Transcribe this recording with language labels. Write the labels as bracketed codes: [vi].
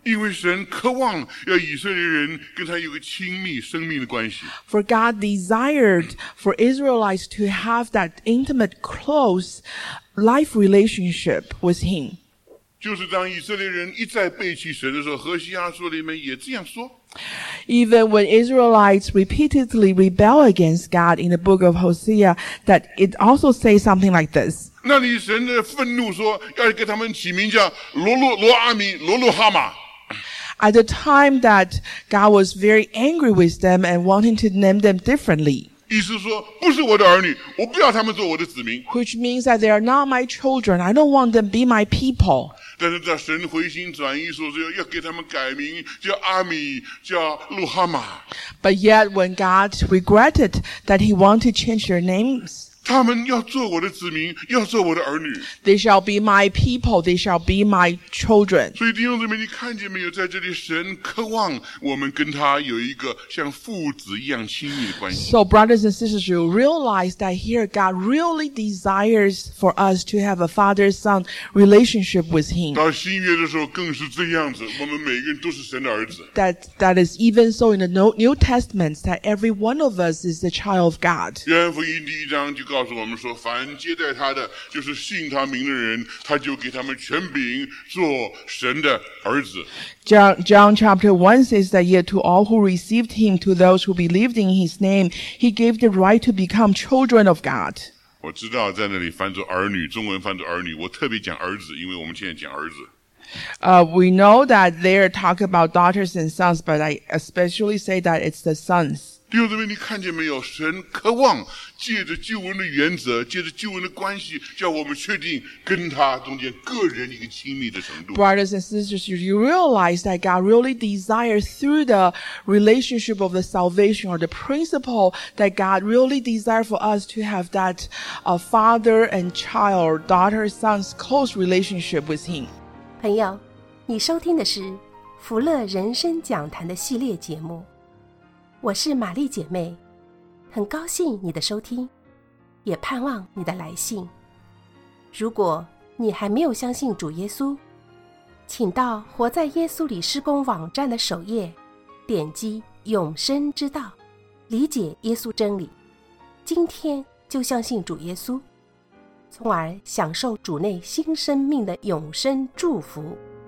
[zh] 因为神渴望要以色列人跟他有个亲密生命的关系。 [en] For God desired for Israelites to have that intimate, close life relationship with him. [zh] 就是当以色列人一再背弃神的时候，何西阿书里面也这样说。 [en] Even when Israelites repeatedly rebel against God in the book of Hosea, that it also says something like this. [zh] 那里神的愤怒说，要给他们起名叫罗罗罗阿米罗罗哈马。 [en] At the time that God was very angry with them and wanting to name them differently. [zh] 意思说，不是我的儿女，我不要他们做我的子民。 [en] Which means that they are not my children. I don't want them to be my people. [zh] 但是在神回心转意说是要给他们改名叫阿米叫路哈马。 [en] But yet when God regretted that he wanted to change their names, [zh] 他们要做我的子民，要做我的儿女。 [en] They shall be my people, they shall be my children. [zh] 所以弟兄姊妹，你看见没有，在这里神渴望我们跟他有一个像父子一样亲密的关系。 [en] So brothers and sisters, you realize that here God really desires for us to have a father-son relationship with him. [zh] 到新约的时候更是这样子，我们每个人都是神的儿子。 [en] That is even so in the New Testament, that every one of us is the child of God. [zh] 约翰福音第一章就告诉我们说，凡接待他的，就是信他名的人，他就给他们权柄做神的儿子。 [en] John chapter 1 says that yet to all who received him, to those who believed in his name, he gave the right to become children of God. [zh] 我知道在那里翻作儿女，中文翻作儿女，我特别讲儿子，因为我们现在讲儿子。 [en] We know that they're talking about daughters and sons, but I especially say that it's the sons. [zh] 弟兄姊妹，你看见没有？神渴望借着救恩的原则，借着救恩的关系，叫我们确定跟他中间个人一个亲密的程度。 [en] Brothers and sisters, you realize that God really desires through the relationship of the salvation or the principle that God really desires for us to have that father and child, daughter, son's close relationship with Him. [zh] 朋友，你收听的是福乐人生讲坛的系列节目。我是玛丽姐妹，很高兴你的收听，也盼望你的来信。如果你还没有相信主耶稣，请到活在耶稣里施工网站的首页，点击永生之道，理解耶稣真理，今天就相信主耶稣，从而享受主内新生命的永生祝福。